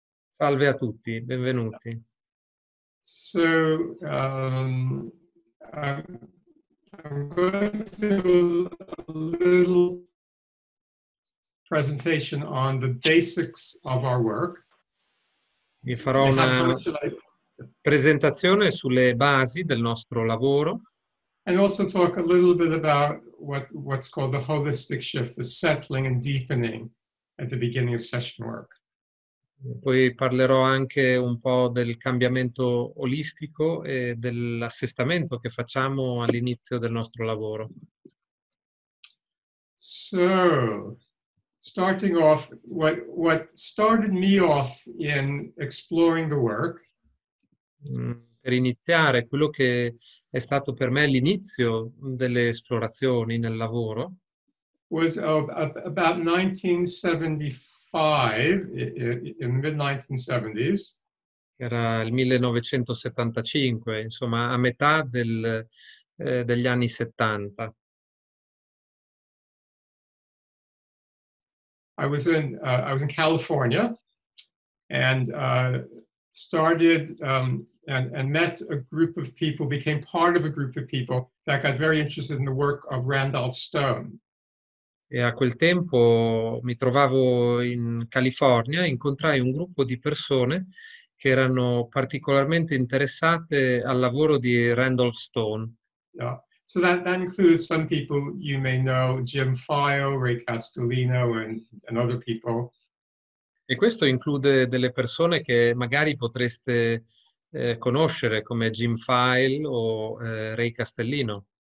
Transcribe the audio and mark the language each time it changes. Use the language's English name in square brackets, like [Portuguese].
[Italian] Salve a tutti, benvenuti. [English] So I'm going to do a little presentation on the basics of our work. [Italian] Vi farò una presentazione sulle basi del nostro lavoro. [English] And also talk a little bit about what's called the holistic shift, the settling and deepening at the beginning of session work. [Italian] Poi parlerò anche un po' del cambiamento olistico e dell'assestamento che facciamo all'inizio del nostro lavoro. [English] So, starting off, what started me off in exploring the work. [Italian] Per iniziare, quello che è stato per me l'inizio delle esplorazioni nel lavoro [English] was about 1975, in the mid-1970s. [Italian] Era il 1975, insomma, a metà degli anni 70. [English] I was in California and started and met a group of people, became part of a group of people that got very interested in the work of Randolph Stone. [Italian] E a quel tempo mi trovavo in California, incontrai un gruppo di persone che erano particolarmente interessate al lavoro di Randolph Stone. [English] Yeah. So that includes some people you may know, Jim Fio, Ray Castellino, and other people. [Italian] E questo include delle persone che magari potreste conoscere, come Jim File o Ray Castellino.